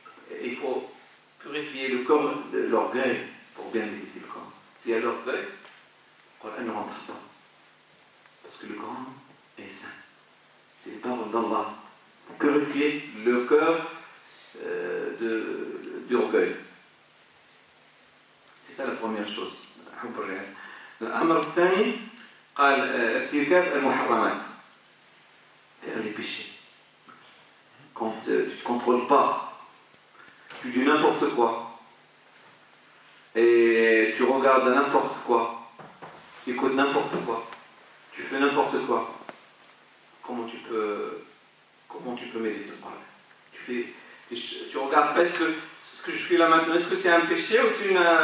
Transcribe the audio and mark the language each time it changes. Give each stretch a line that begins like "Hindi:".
French: Et il faut purifier le corps de l'orgueil pour bien méditer le Coran. S'il y a l'orgueil, le Coran ne rentre pas. Parce que le Coran est saint. C'est les paroles d'Allah. Pour purifier le cœur de l'orgueil. C'est la première chose.
Arabic: L'amr thani, قال ارتكاب المحرمات.
French: Faire les péchés. Quand tu ne te contrôles pas, tu dis n'importe quoi. Et tu regardes n'importe quoi. Tu écoutes n'importe quoi. Tu fais n'importe quoi. Comment tu peux méditer le Coran? Tu regardes pas, est-ce que ce que je fais là maintenant, est-ce que c'est un péché ou c'est une.